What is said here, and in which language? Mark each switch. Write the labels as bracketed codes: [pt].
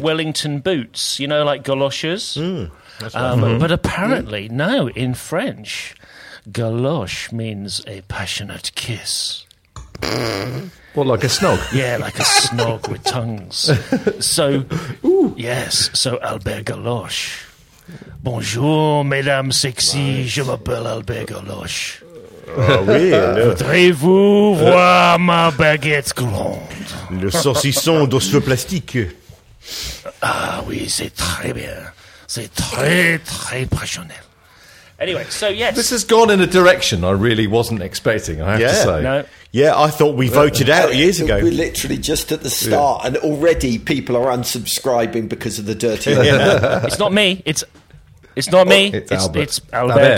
[en] Wellington boots, you know, like galoshes. But apparently, no, in French, galoche means a passionate kiss. What, like a snog? Yeah, like a snog with tongues. So, yes, so Albert Galoche. [fr] Bonjour, mesdames sexy, je m'appelle Albert Galoche. Voudrez-vous voir ma baguette grande? Le saucisson dans ce plastique. Ah oui, c'est très bien. C'est très, très passionnel. [en] Anyway, so yes. This has gone in a direction I really wasn't expecting, I have to say. No. Yeah, I thought we voted out years ago. We're literally just at the start, and already people are unsubscribing because of the dirty. Yeah. It's not me. It's not me. It's Albert